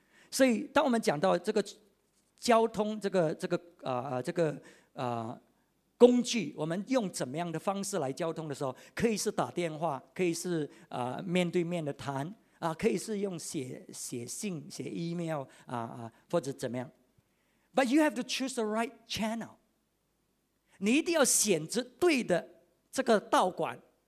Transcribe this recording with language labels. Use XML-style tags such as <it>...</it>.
<zh>所以，当我们讲到这个交通，这个工具，我们用怎么样的方式来交通的时候，可以是打电话，可以是面对面的谈，可以是用写信、写 email 或者怎么样。</zh> <en>But you have to choose the right channel.</en> <zh>你一定要选择对的这个道馆。</zh>